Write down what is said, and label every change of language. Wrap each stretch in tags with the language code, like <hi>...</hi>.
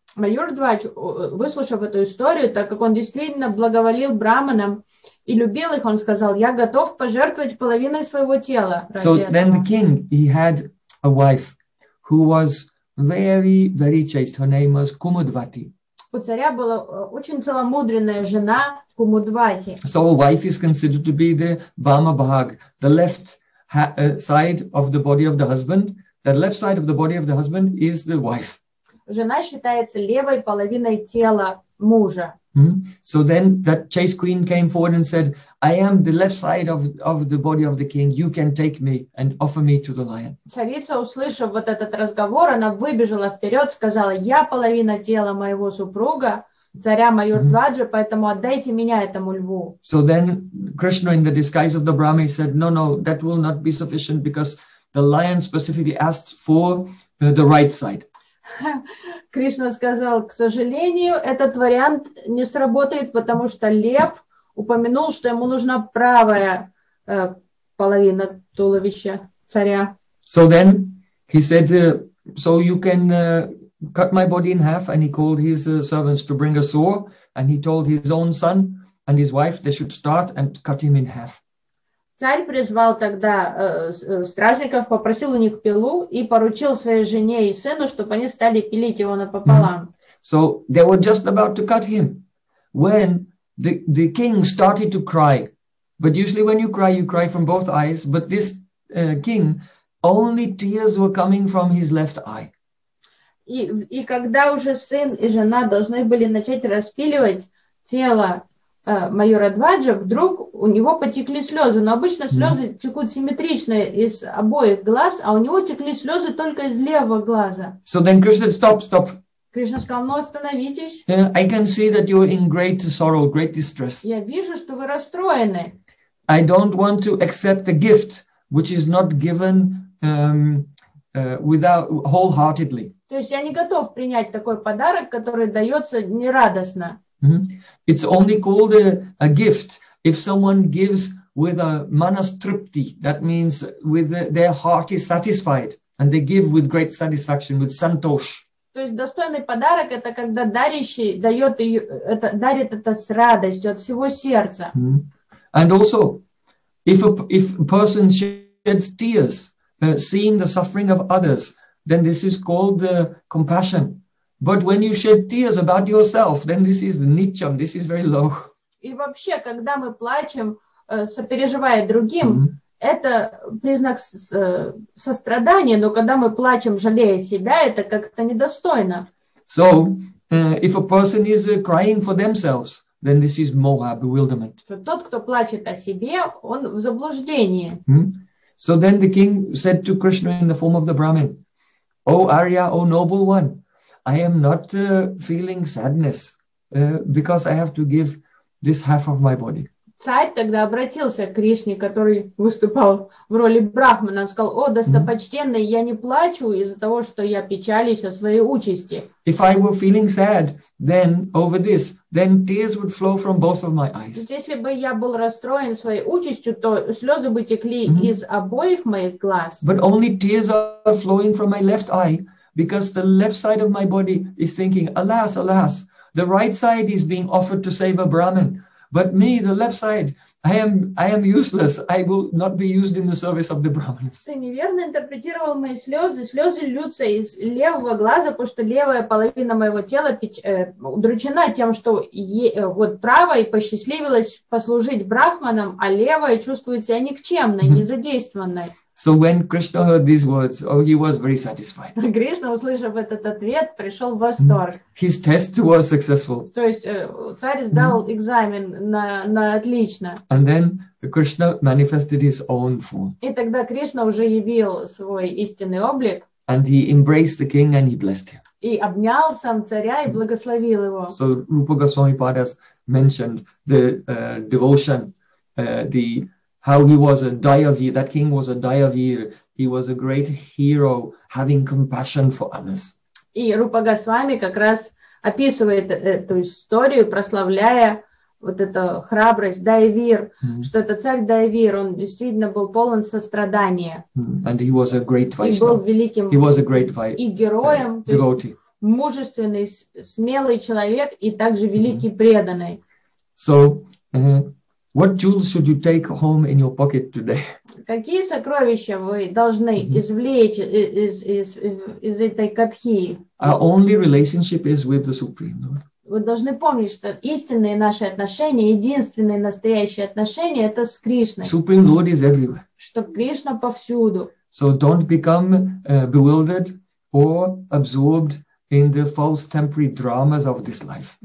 <ru>Майор Двач, выслушав эту историю, так как он действительно благоволил брахманам и любил их, он сказал: "Я готов пожертвовать половиной своего тела ради этого."</ru> <en>So then the king, he had a wife who was very, very chaste. Her name was Kumudvati.</en> <ru>У царя была очень целомудренная жена Кумудвати.</ru> <en>So a wife is considered to be the Vama Bhag, the left side of the body of the husband. That left side of the body of the husband is the wife.</en> <ru>Жена считается левой половиной тела мужа.</ru> <en>So then that chaste queen came forward and said, "I am the left side of the body of the king. You can take me and offer me to the lion."</en> <ru>Царица, услышав вот этот разговор, она выбежала вперед, сказала: "Я половина тела моего супруга, царя Mahavira Dwaja, поэтому отдайте меня этому льву."</ru> <en>So then Krishna in the disguise of the Brahmin said, no, that will not be sufficient because the lion specifically asked for the right side.</en> <ru>Кришна сказал: "К сожалению, этот вариант не сработает, потому что лев упомянул, что ему нужна правая половина туловища царя."</ru> <en>So then he said, "So you can cut my body in half," and he called his servants to bring a saw, and he told his own son and his wife they should start and cut him in half.</en> <ru>Царь призвал тогда стражников, попросил у них пилу и поручил своей жене и сыну, чтобы они стали пилить его напополам.</ru> <en>So they were just about to cut him when the king started to cry. But usually when you cry from both eyes. But this king, only tears were coming from his left eye.</en> <ru>И когда уже сын и жена должны были начать распиливать тело майора Дваджа, вдруг у него потекли слезы. Но обычно слезы текут симметрично из обоих глаз, а у него текли слезы только из левого глаза.</ru> <en>So then Krishna said, stop, stop.</en> <ru>Кришна сказал, ну остановитесь.</ru> <en>I can see that you're in great sorrow, great distress.</en> <ru>Я вижу, что вы расстроены.</ru> <en>I don't want to accept a gift which is not given without wholeheartedly.</en> <ru>То есть я не готов принять такой подарок, который дается нерадостно. Mm-hmm.</ru> <en>It's only called a gift if someone gives with a manas tripti, that means with their heart is satisfied and they give with great satisfaction, with santosh.</en> <ru>То есть достойный подарок это когда дарящий дает ее, это, дарит это с радостью от всего сердца. Mm-hmm.</ru> <en>And also, if a person sheds tears, seeing the suffering of others, then this is called compassion. But when you shed tears about yourself, then this is nicham, this is very low.</en> <ru>И вообще, когда мы плачем, сопереживая другим, mm-hmm. это признак сострадания, но когда мы плачем, жалея себя, это как-то недостойно.</ru> <en>So, if a person is crying for themselves, then this is moha, bewilderment.</en> <ru>Тот, кто плачет о себе, он в заблуждении. Hmm?</ru> <en>So then the king said to Krishna in the form of the Brahmin, O Arya, O noble one, I am not feeling sadness because I have to give this half of my body.</en> <ru>Царь тогда обратился к Кришне, который выступал в роли Брахмана, сказал, о, достопочтенный, я не плачу из-за того, что я печалюсь о своей участи.</ru> <en>If I were feeling sad, then over this, then tears would flow from both of my eyes.</en> <ru>Если бы я был расстроен своей участью, то слезы бы текли из обоих моих глаз.</ru> <en>But only tears are flowing from my left eye, because the left side of my body is thinking, alas, alas, the right side is being offered to save a Brahmin. But me, the left side, I am useless. I will not be used in the service of the Brahmins.</en> <ru>Ты неверно интерпретировал мои слезы. Слезы льются из левого глаза, потому что левая половина моего тела удручена тем, что вот правая посчастливилась послужить брахманам, а левая чувствует себя никчемной, незадействованной.</ru> <en>So when Krishna heard these words, oh, he was very satisfied.</en> <ru>Кришна, услышав этот ответ, пришел в восторг.</ru> <en>His test was successful.</en> <ru>То есть царь сдал экзамен на отлично.</ru> <en>And then Krishna manifested his own form.</en> <ru>И тогда Кришна уже явил свой истинный облик.</ru> <en>And he embraced the king and he blessed him.</en> <ru>И обнял сам царя и благословил его.</ru> <en>So Rupa Goswami Padas mentioned the devotion, the how he was a Dayavir, that king was a Dayavir, he was a great hero, having compassion for others.</en> <ru>И Рупа Госвами как раз описывает эту историю, прославляя вот эту храбрость, Дайвир, что это царь Дайвир, он действительно был полон сострадания.</ru> <en>And he was a great Vaishnava.</en> <ru>И был великим.</ru> <en>He was a great Vaishnava.</en> <ru>И героем,</ru> <en>devotee.</en> <ru>Мужественный, смелый человек и также великий преданный.</ru> <en>So, what jewels should you take home in your pocket today?</en> <ru>Какие сокровища вы должны извлечь из этой катхи?</ru> <en>Our only relationship is with the Supreme Lord.</en> <ru>Вы должны помнить, что истинные наши отношения, единственные настоящие отношения, это с Кришной.</ru> <en>Supreme Lord is everywhere.</en> <ru>Что Кришна повсюду.</ru> <en>So don't become bewildered or absorbed in the false temporary dramas of this life.</en>